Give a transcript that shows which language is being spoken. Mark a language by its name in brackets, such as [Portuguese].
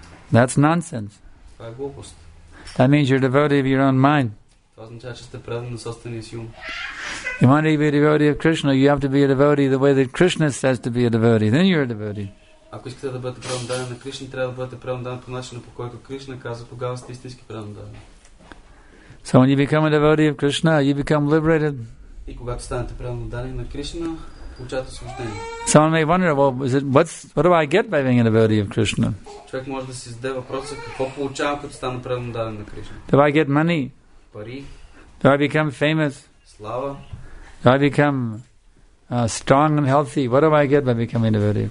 [English] That's nonsense. That means you're a devotee of your own mind. You want to be a devotee of Krishna, you have to be a devotee the way that Krishna says to be a devotee. Then you're a devotee. [Bulgarian] Ако искате да бъдете преданни на Кришна, трябва да бъдете преданни по начина, по който Кришна каза, тогава сте истински преданни. [English] So when you become a devotee of Krishna, you become liberated. [Bulgarian] И когато станете преданни на Кришна, получавате освобождение. [English] Someone may wonder, well, is it, what do I get by being a devotee of Krishna? [Bulgarian] Човек може да си зададе въпроса, какво получавам, като стана преданни на Кришна? [English] Do I get money? [Bulgarian] Пари. [English] Do I become famous? [Bulgarian] Слава. [English] Do I become strong and healthy, what do I get by becoming a devotee of